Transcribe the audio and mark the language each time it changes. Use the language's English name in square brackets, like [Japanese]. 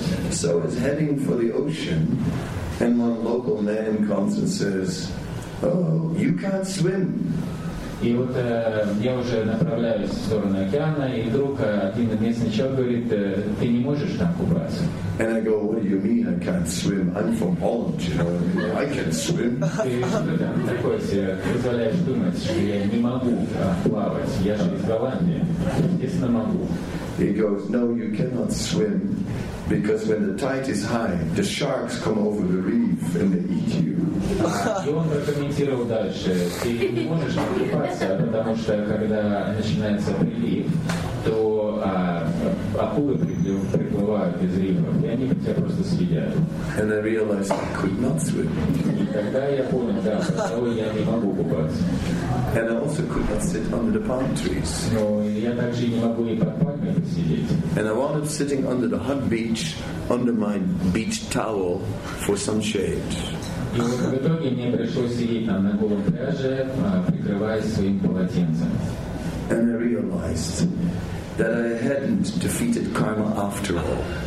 [English] So it's heading for the ocean, and one local man comes and says, "Oh, you can't swim." [Russian] И вот я уже направляюсь в сторону океана, и вдруг один местный человек говорит, ты не можешь там купаться. [English] And I go, what do you mean I can't swim? I'm from Holland, you know, I can swim. [Russian] Ты что там такое себе позволяешь думать, что я не могу плавать, я же из Голландии, естественно могу. [English] He goes, no, you cannot swim, because when the tide is high, the sharks come over the reef and they eat you. [Russian] И он прокомментировал дальше, ты не можешь купаться, потому что когда начинается прилив, то акулы приплывают из рифов, и они тебя просто съедят. [English] And I realized I could not swim. [Russian] И тогда я понял, да, потому что я не могу купаться. [English] And I also could not sit under the palm trees. [Russian] Но я также не могу и под пальмой посидеть. [English] And I wound up sitting under the hot beach, under my beach towel, for some shade. [Russian] И вот в итоге мне пришлось сидеть там на голом пляже, прикрываясь своим полотенцем. [English] And I realized that I hadn't defeated karma after all.